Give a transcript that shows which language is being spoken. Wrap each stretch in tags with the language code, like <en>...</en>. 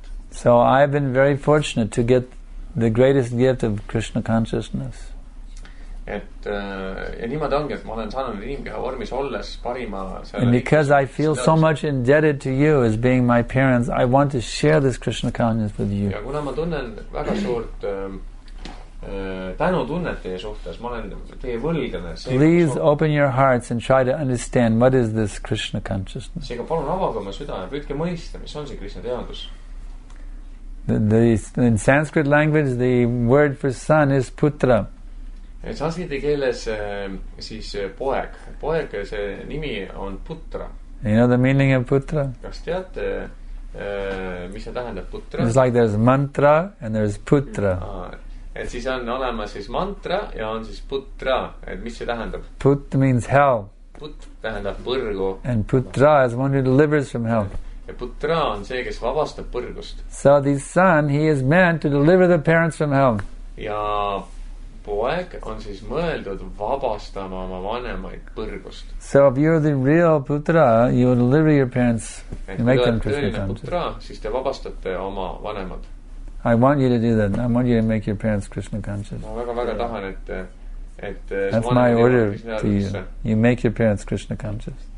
<en>So I've been very fortunate to get the greatest gift of Krishna consciousness. And because I feel so much indebted to you as being my parents, I want to share this Krishna consciousness with you.</en> <et>Ja kuna ma tunnen väga suurt tänu tunnet teie suhtes, ma olen teie võlgane.</et> <en>Please open your hearts and try to understand what is this Krishna consciousness.</en> <et>Seega palun avaga oma süda ja püüdke mõista, mis on see Krishna teadus.</et> <en>In Sanskrit language, the word for son is putra.</en> <et>Sanskriti keeles siis poeg. Poeg, see nimi on putra.</et> <en>You know the meaning of putra?</en> <et>Kas tead, mis see tähendab putra?</et> <en>It's like there's mantra and there's putra.</en> <et>Et siis on olemas siis mantra ja on siis putra. Et mis see tähendab?</et> <en>Put means hell.</en> <et>Put tähendab põrgu.</et> <en>And putra is one who delivers from hell.</en> <et>Ja putra on see, kes vabastab põrgust.</et> <en>So the son, he is meant to deliver the parents from hell.</en> <et>Ja poeg on siis mõeldud vabastama oma vanemaid põrgust.</et> <en>So if you are the real putra, you will deliver your parents. You make them Krishna putra,</en> <et>siis te vabastate oma vanemad.</et> <en>I want you to do that. I want you to make your parents Krishna conscious.</en> <et>Ma väga, väga tahan, et</et> <en>that's my order to you. You make your parents Krishna conscious.</en>